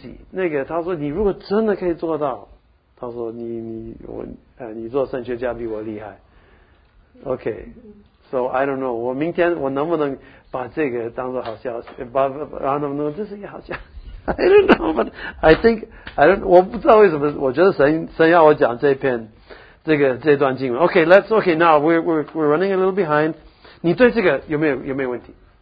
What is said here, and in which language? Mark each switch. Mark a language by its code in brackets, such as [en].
[zh] 那个他说你如果真的可以做到，他说你做神学家比我厉害 OK， [en] so I don't know， [zh] 我明天我能不能把这个当作好消息，不这是一个好消息。 [en] I don't know, but I think I don't. [zh] 我不知道为什么，我觉得神要我讲这篇，这段经文。 [en] Okay, let's okay now. We're running a little behind. [zh] 你对这个有没有问题？